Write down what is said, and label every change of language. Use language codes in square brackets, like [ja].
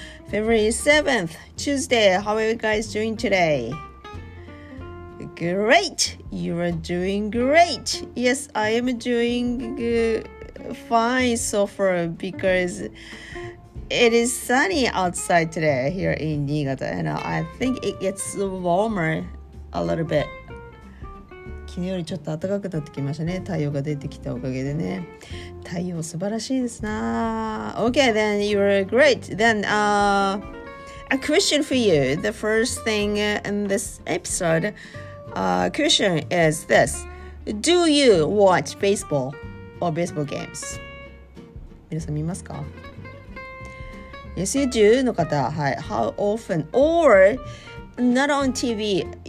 [en] February 7th, Tuesday. How are you guys doing today? Great! You are doing great! Yes, I am doing fine so far because it is sunny outside today here in Niigata, and I think it gets warmer a little bit. [ja] 昨日よりちょっと暖かくなってきましたね。太陽が出てきたおかげでね。太陽素晴らしいですな。 [en] Okay, then you are great. Then, a question for you. The first thing in this episode, question is this. Do you watch baseball or baseball games? [ja] 皆さん見ますか? [en] Yes, you do. [ja] の方、はい。 [en] How often? Or not on TV?